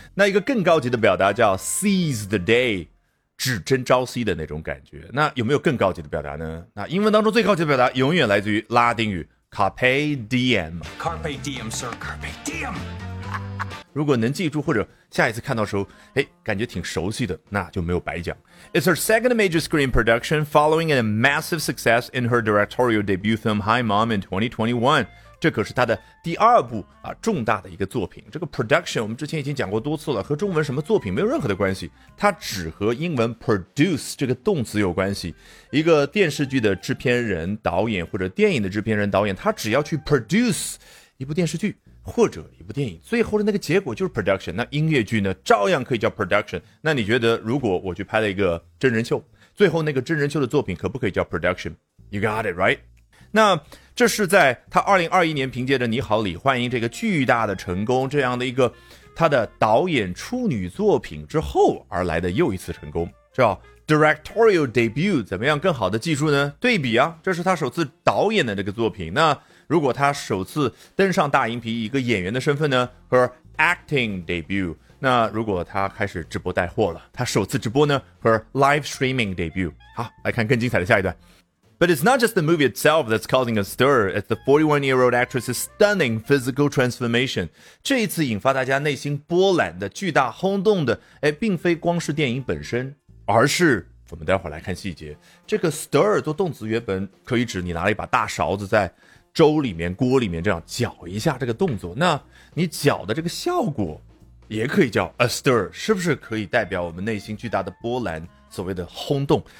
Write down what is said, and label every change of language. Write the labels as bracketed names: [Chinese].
[Chinese] 那一个更高级的表达叫 [English] Seize the Day， [Chinese] 只争朝夕的那种感觉。那有没有更高级的表达呢？那英文当中最高级的表达永远来自于拉丁语 [Latin] Carpe Diem。 Carpe Diem, sir, Carpe Diem。 [Chinese] 如果能记住或者下一次看到的时候，哎，感觉挺熟悉的，那就没有白讲。 [English] It's her second major screen production following a massive success in her directorial debut film Hi Mom in 2021. [Chinese] 这可是她的第二部啊重大的一个作品。这个 production 我们之前已经讲过多次了，和中文什么作品没有任何的关系，它只和英文 produce 这个动词有关系。一个电视剧的制片人导演或者电影的制片人导演，他只要去 produce 一部电视剧或者一部电影，最后的那个结果就是 production。那音乐剧呢照样可以叫 production。那你觉得如果我去拍了一个真人秀，最后那个真人秀的作品可不可以叫 production？ [English] You got it right。 [Chinese] 那这是在他2021年凭借着你好李焕英这个巨大的成功，这样的一个他的导演处女作品之后而来的又一次成功，叫 [English] directorial debut。 [Chinese] 怎么样更好的记住呢？对比啊，这是他首次导演的这个作品。那如果他首次登上大荧屏一个演员的身份呢，和 [English] acting debut。 [Chinese] 那如果他开始直播带货了，他首次直播呢，和 [English] live streaming debut。 [Chinese] 好，来看更精彩的下一段。 [English] But it's not just the movie itself that's causing a stir. It's the 41-year-old actress's stunning physical transformation. [Chinese] 这一次引发大家内心波澜的巨大轰动的，哎，并非光是电影本身，而是我们待会儿来看细节。这个 stir 做动词原本可以指你拿了一把大勺子在粥里面锅里面这样搅一下这个动作，那你搅的这个效果也可以叫 [English] a stir， [Chinese] 是不是可以代表我们内心巨大的波澜，所谓的轰动。